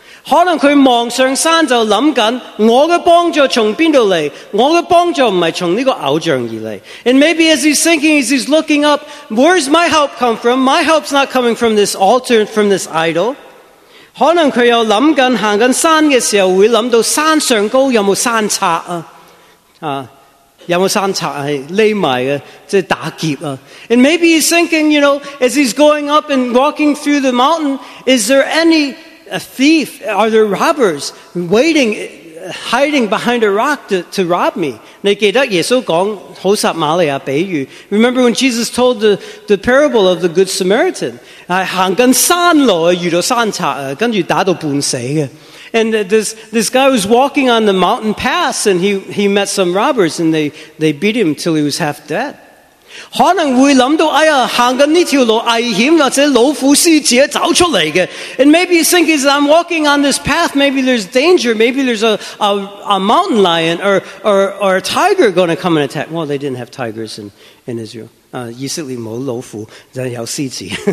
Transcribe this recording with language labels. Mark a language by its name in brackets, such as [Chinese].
[Cantonese] 可能佢望上山就諗緊我嘅帮助从边度嚟，我嘅帮助唔係从呢个偶像而嚟。 [English] And maybe as he's thinking, as he's looking up, where's my help come from? My help's not coming from this altar, from this idol. [Cantonese] 可能佢又諗緊行緊山嘅时候会諗到山上高有冇山贼啊。有冇山贼係匿埋嘅，即係打劫啊。 [English] And maybe he's thinking, you know, as he's going up and walking through the mountain, is there any... A thief? Are there robbers waiting, hiding behind a rock to rob me? [Cantonese] 你記得耶穌講好撒瑪利亞比喻。 [English] Remember when Jesus told the parable of the Good Samaritan? [Cantonese] 行緊山路遇到山賊，跟住打到半死嘅。 [English] And this guy was walking on the mountain pass, and he met some robbers, and they beat him till he was half dead. [Cantonese] 可能会想到哎呀行緊呢条路危险，或者老虎狮子走出嚟嘅。 [English] And maybe you think as I'm walking on this path, maybe there's danger, maybe there's a mountain lion or a tiger going to come and attack. Well, they didn't have tigers in Israel. [Cantonese] 以色列冇老虎，但有狮子。